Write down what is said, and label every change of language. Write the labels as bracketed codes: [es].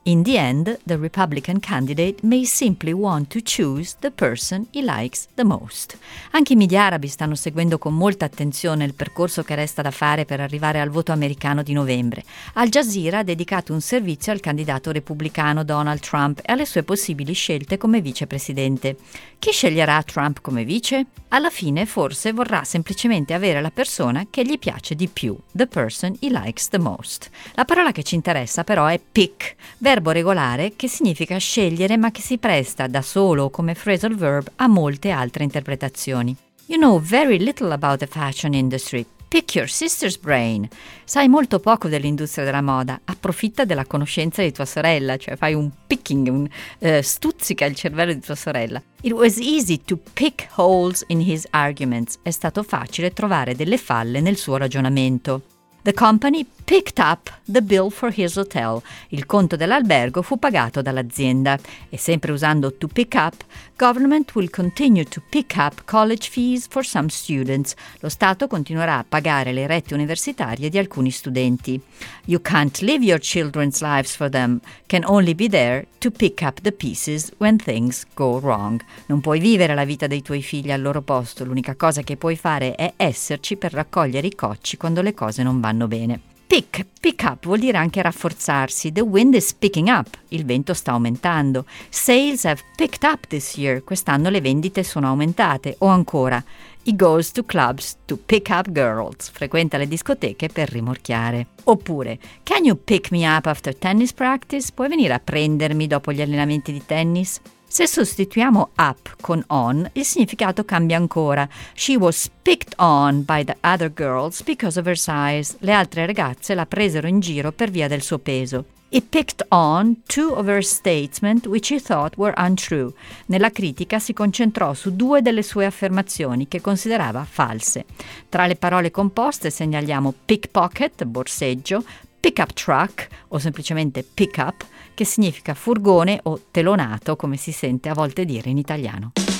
[en] In the end, the Republican candidate may simply want to choose the person he likes the most. [it] Anche i media arabi stanno seguendo con molta attenzione il percorso che resta da fare per arrivare al voto americano di novembre. Al Jazeera ha dedicato un servizio al candidato repubblicano Donald Trump e alle sue possibili scelte come vicepresidente. Chi sceglierà Trump come vice? Alla fine, forse, vorrà semplicemente avere la persona che gli piace di più, [en] the person he likes the most. [it] La parola che ci interessa però è pick, verbo regolare che significa scegliere ma che si presta da solo come phrasal verb a molte altre interpretazioni. [en] You know very little about the fashion industry. Pick your sister's brain. [it] Sai molto poco dell'industria della moda. Approfitta della conoscenza di tua sorella, cioè fai un picking, stuzzica il cervello di tua sorella. [en] It was easy to pick holes in his arguments. [it] È stato facile trovare delle falle nel suo ragionamento. [en] The company picked up the bill for his hotel. [it] Il conto dell'albergo fu pagato dall'azienda. E sempre usando [en] to pick up, government will continue to pick up college fees for some students. [it] Lo Stato continuerà a pagare le rette universitarie di alcuni studenti. [en] You can't live your children's lives for them. Can only be there to pick up the pieces when things go wrong. [it] Non puoi vivere la vita dei tuoi figli al loro posto. L'unica cosa che puoi fare è esserci per raccogliere i cocci quando le cose non vanno bene. Pick up vuol dire anche rafforzarsi. [en] The wind is picking up. [it] Il vento sta aumentando. [en] Sales have picked up this year. [it] Quest'anno le vendite sono aumentate. O ancora, [en] he goes to clubs to pick up girls. [it] Frequenta le discoteche per rimorchiare. [en] Oppure, can you pick me up after tennis practice? [it] Puoi venire a prendermi dopo gli allenamenti di tennis? Se sostituiamo up con on, il significato cambia ancora. [en] She was picked on by the other girls because of her size. [it] Le altre ragazze la presero in giro per via del suo peso. [en] He picked on two of her statements which he thought were untrue. [it] Nella critica si concentrò su due delle sue affermazioni che considerava false. Tra le parole composte segnaliamo pickpocket, borseggio, pickup truck o semplicemente pickup, che significa furgone o telonato, come si sente a volte dire in italiano.